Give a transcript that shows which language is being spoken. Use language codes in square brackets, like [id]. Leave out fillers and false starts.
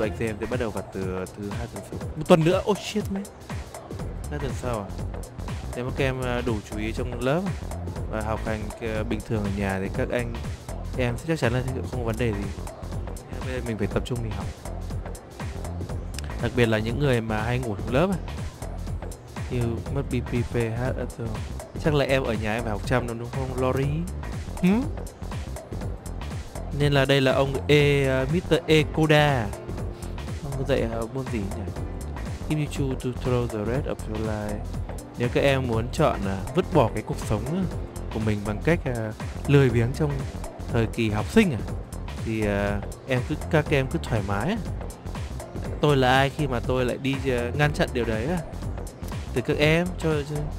[vi] Bạch Dêm sẽ bắt đầu vào từ thứ 2 tuần sau. Một tuần nữa, [en] oh shit man. [vi] 2 tuần sau à? Nếu mà các em đủ chú ý trong lớp và học hành bình thường ở nhà thì các anh em sẽ chắc chắn là sẽ không có vấn đề gì. Bây giờ mình phải tập trung mình học. Đặc biệt là những người mà hay ngủ trong lớp à. [en] You must be prepared at all. [vi] Chắc là em ở nhà em phải học chăm đúng không, Lori? Nên là đây là ông E, Mr. Ekoda. Ông dạy môn gì nhỉ? [en] If you choose to throw the rest of your life. [vi] Nếu các em muốn chọn vứt bỏ cái cuộc sống của mình bằng cách lười biếng trong thời kỳ học sinh thì em cứ, các em cứ thoải mái. Tôi là ai khi mà tôi lại đi ngăn chặn điều đấy từ các em cho chứ.